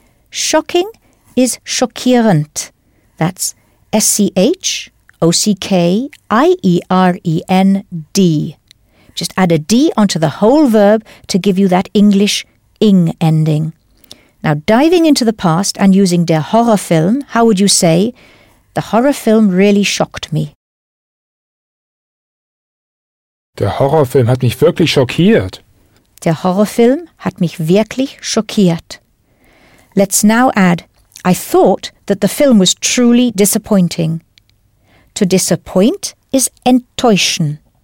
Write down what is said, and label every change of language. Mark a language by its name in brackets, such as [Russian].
[English] Shocking is schockierend. That's S-C-H-O-C-K-I-E-R-E-N-D. Just add a D onto the whole verb to give you that English ing ending. Now, diving into the past and using der Horrorfilm, how would you say, the horror film really shocked me? [German] Der Horrorfilm hat mich wirklich schockiert. Der Horrorfilm hat mich wirklich schockiert. [English] Let's now add, I thought that the film was truly disappointing. To disappoint is enttäuschen.